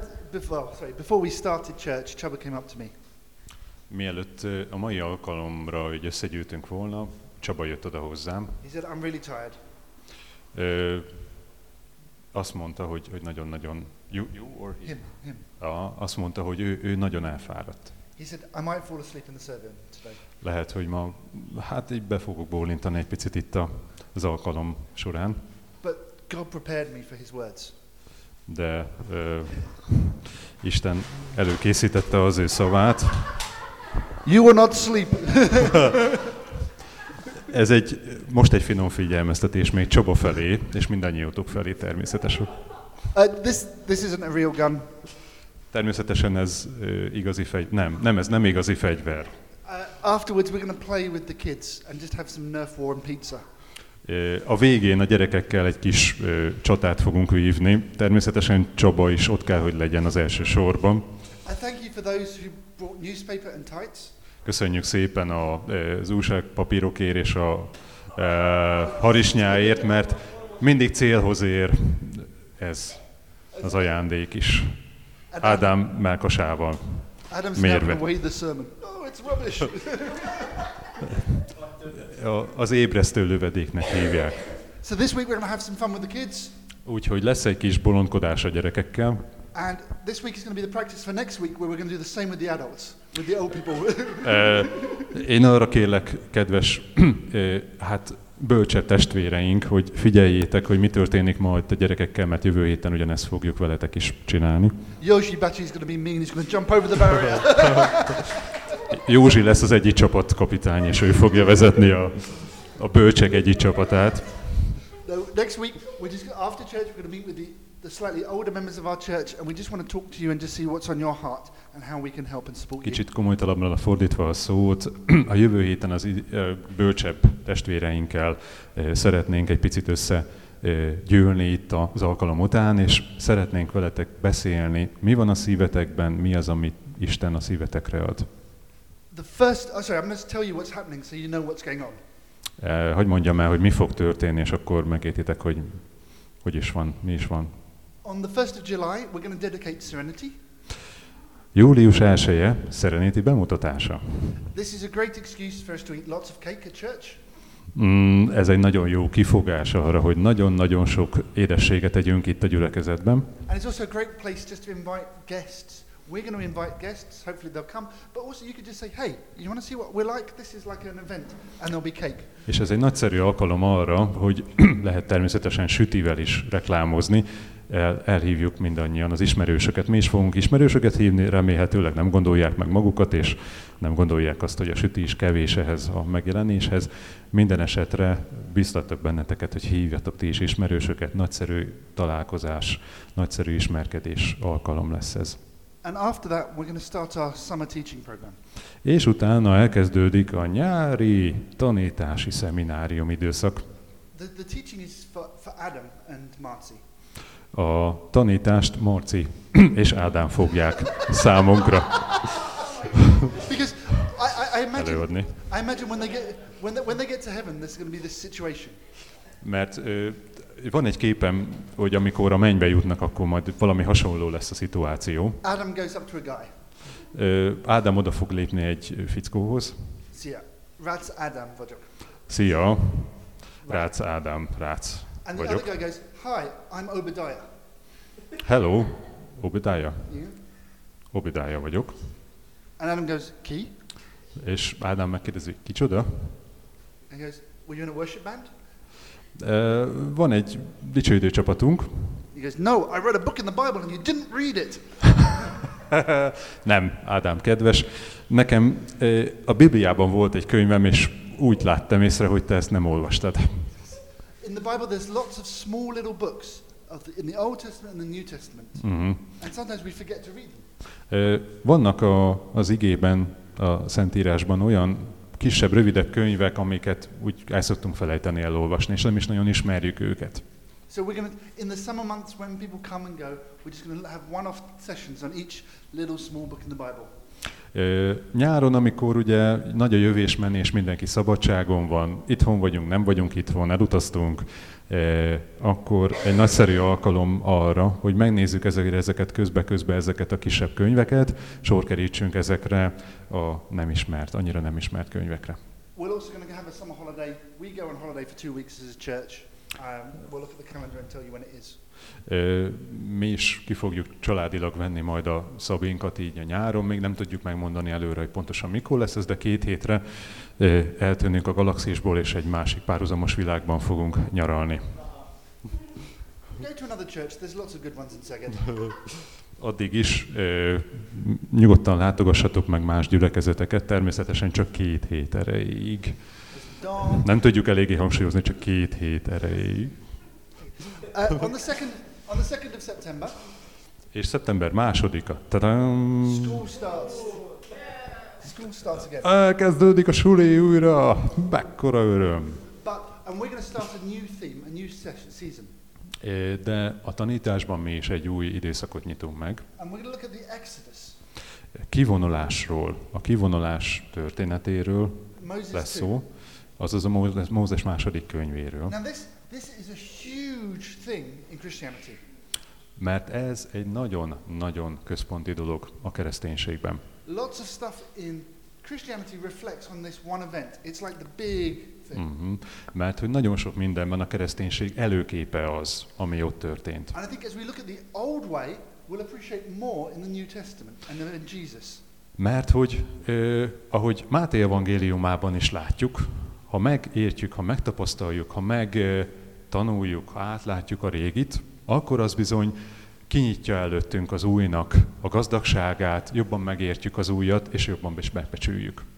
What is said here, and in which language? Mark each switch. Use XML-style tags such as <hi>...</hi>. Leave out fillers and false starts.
<en>Before we started church, Chuba came up to me.</en> <hu>Mielőtt a mai alkalomra, hogy összegyűltünk volna, Chuba jött oda hozzám.</hu> <en>He said, I'm really tired.</en> <hu>Azt mondta, hogy nagyon-nagyon...</hu> <en>You or he? Him.</en> <hu>Azt mondta, hogy ő nagyon elfáradt.</hu> <en>He said, I might fall asleep in the sermon today.</en> <hu>Lehet, hogy ma, hát így be fogok bólintani egy picit itt az alkalom során.</hu> <en>But God prepared me for his words.</en> <hu>De Isten előkészítette az ő szavát.</hu> <en>You will not sleep.</en> <hu>Ez egy, most egy finom figyelmeztetés még Csaba felé, és mindannyiótok felé természetesen.</hu> <en>This isn't a real gun.</en> <hu>Természetesen ez igazi fegyver. Nem, ez nem igazi fegyver.</hu> <en>Afterwards we're going to play with the kids and just have some Nerf war and pizza.</en> <hu>A végén a gyerekekkel egy kis csatát fogunk vívni. Természetesen Csaba is ott kell, hogy legyen az első sorban.</hu> <en>Thank you for those who brought newspaper and tights.</en> <hu>Köszönjük szépen az újságpapírokért és a harisnyáért, mert mindig célhoz ér ez az ajándék is. Ádám mellkasával mérve.</hu> <en>Rubbish.</en> <hu>Az ébresztő lövedéknek hívják.</hu> <en>So this week we're going to have some fun with the kids.</en> <hu>Úgyhogy lesz egy kis bolondkodás a gyerekekkel.</hu> <en>And this week is going to be the practice for next week where we're going to do the same with the adults, with the old people.</en> <hu>Én arra kérlek, kedves, hát bölcse testvéreink, hogy figyeljétek, hogy mi történik ma itt a gyerekekkel, mert jövő héten ugyanezt fogjuk veletek is csinálni.</hu> <en>Yoshi Bachi is going to be mean, he's going to jump over the barrier.</en> <hu>Józsi lesz az egyik csapat kapitány, és ő fogja vezetni a bölcsek egyik csapatát.</hu> <en>Now, next week, we're just after church, we're going to meet with the slightly older members of our church, and we just want to talk to you and just see what's on your heart and how we can help and support you.</en> <hu>Kicsit komolytalabban fordítva a szót, a jövő héten az bölcsebb testvéreinkkel szeretnénk egy picit összegyűlni itt az alkalom után, és szeretnénk veletek beszélni, mi van a szívetekben, mi az, amit Isten a szívetekre ad.</hu> <en>I'm going to tell you what's happening so you know what's going on.</en> <hu>Hogy mondjam el, hogy mi fog történni, és akkor megértitek, hogy is van, mi is van.</hu> <en>On the 1st of July, we're going to dedicate Serenity.</en> <hu>Július 1-je, Serenity bemutatása.</hu> <en>This is a great excuse for us to eat lots of cake at church.</en> <hu>Ez egy nagyon jó kifogás arra, hogy nagyon-nagyon sok édességet tegyünk itt a gyülekezetben.</hu> <en>And it's also a great place just to invite guests. We're going to invite guests, hopefully they'll come, but also you could just say, hey, you want to see what we're like? This is like an event, and there'll be cake.</en> <hu>És ez egy nagyszerű alkalom arra, hogy lehet természetesen sütivel is reklámozni. Elhívjuk mindannyian az ismerősöket. Mi is fogunk ismerősöket hívni, remélhetőleg nem gondolják meg magukat, és nem gondolják azt, hogy a süti is kevés ehhez a megjelenéshez. Minden esetre biztatok benneteket, hogy hívjatok ti is ismerősöket. Nagyszerű találkozás, nagyszerű ismerkedés alkalom lesz ez.</hu> <en>And after that we're going to start our summer teaching program.</en> <hu>És utána elkezdődik a nyári tanítási szeminárium időszak.</hu> <en>The teaching is for Adam and Marci.</en> <hu>A tanítást Marci és Ádám fogják számunkra.</hu> <en>Because I imagine when they get to heaven there's going to be this situation.</en> <hu>Mert van egy képem, hogy amikor a mennybe jutnak, akkor majd valami hasonló lesz a szituáció.</hu> <en>Adam goes up to a guy.</en> <hu>Ádám oda fog lépni egy fickóhoz. Szia, Rácz Ádám vagyok. Szia, Rácz Ádám, Rácz.</hu> <en>And the other guy goes, "Hi, I'm Obadiah." Hello, Obadiah. You?</en> <hu>Obadiah vagyok.</hu> <en>And Adam goes, "Ki?"</en> <hu>És Adam megkérdezi, "Kicsoda?"</hu> <en>And he goes, "Were you in a worship band?"</en> <hu>Van egy dicsőítő csapatunk.</hu> <en>He goes, "No, I read a book in the Bible and you didn't read it."</en> <hu>Nem, Ádám kedves. Nekem a Bibliában volt egy könyvem, és úgy láttam észre, hogy te ezt nem olvastad.</hu> <en>In the Bible there's lots of small little books of the, in the Old Testament and the New Testament. Uh-huh. And sometimes we forget to read them.</en> <hu>Vannak az igében, a Szentírásban olyan kisebb, rövidebb könyvek, amiket úgy el szoktunk felejteni elolvasni, és nem is nagyon ismerjük őket.</hu> <en>So we're going to, in the summer months when people come and go, we're just going to have one-off sessions on each little small book in the Bible.</en> <hu>Nyáron, amikor ugye nagy a jövésmenés, mindenki szabadságon van, itthon vagyunk, nem vagyunk itthon, elutaztunk, akkor egy nagyszerű alkalom arra, hogy megnézzük ezeket közbe-közbe, ezeket a kisebb könyveket, sor kerítsünk ezekre a nem ismert, annyira nem ismert könyvekre.</hu> <en>We're also going to have a summer holiday. We go on holiday for 2 weeks as a church. We'll look at the calendar and tell you when it is.</en> <hu>Mi is ki fogjuk családilag venni majd a szabinkat így a nyáron, még nem tudjuk megmondani előre, hogy pontosan mikor lesz ez, de 2 hétre eltűnünk a galaxisból, és egy másik párhuzamos világban fogunk nyaralni.</hu> <en>Go to another church, there's lots of good ones in Szeged.</en> <hu>Addig is nyugodtan látogassatok meg más gyülekezeteket, természetesen csak 2 hét erejéig. Nem tudjuk eléggé hangsúlyozni, csak 2 hét erejéig.</hu> <en>On the second of September.</en> <hu>És szeptember 2-a.</hu> <en>School starts again.</en> <hu>Elkezdődik a suli újra. Mekkora öröm.</hu> <en>But and we're going to start a new theme, a new season.</en> <hu>De a tanításban mi is egy új időszakot nyitunk meg.</hu> <en>And we're going to look at the Exodus.</en> <hu>Kivonulásról, a kivonulás történetéről</hu> <en>Moses</en> <hu>lesz</hu> <en>too.</en> <hu>Szó. Azaz a Mózes 2. könyvéről.</hu> <en>Now this is a huge thing in Christianity.</en> <hu>Mert ez egy nagyon-nagyon központi dolog a kereszténységben.</hu> <en>Lots of stuff in Christianity reflects on this one event. It's like the big thing. Mm-hmm.</en> <hu>Mert hogy nagyon sok mindenben a kereszténység előképe az, ami ott történt.</hu> <en>And I think as we look at the old way, we'll appreciate more in the New Testament and in Jesus.</en> <hu>Mert hogy ahogy Máté evangéliumában is látjuk, ha megértjük, ha megtapasztaljuk, ha megtanuljuk, ha átlátjuk a régit, akkor az bizony kinyitja előttünk az újnak a gazdagságát, jobban megértjük az újat, és jobban is megbecsüljük.</hu>